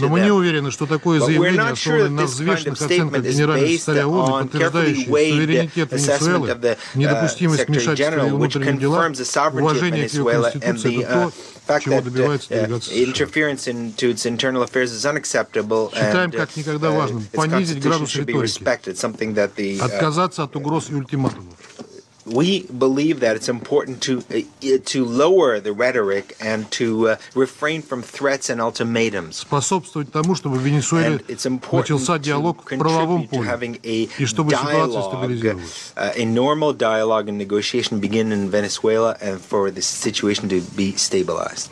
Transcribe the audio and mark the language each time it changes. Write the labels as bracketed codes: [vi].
[ru] Но мы не уверены, что такое заявление, основанное на взвешенных оценках генерального секретаря ООН, подтверждающее суверенитет Венесуэлы, недопустимость вмешательства в внутренние дела, уважение к ее конституции, это то, чего добивается делегация США. Считаем как никогда важным понизить градус риторики, отказаться от угроз и ультиматумов. [en] We believe that it's important to lower the rhetoric and to refrain from threats and ultimatums. [ru] Способствовать тому, чтобы в Венесуэле начался диалог в правовом поле, и чтобы ситуация стабилизировалась. [en] A normal dialogue and negotiation begin in Venezuela and for the situation to be stabilized.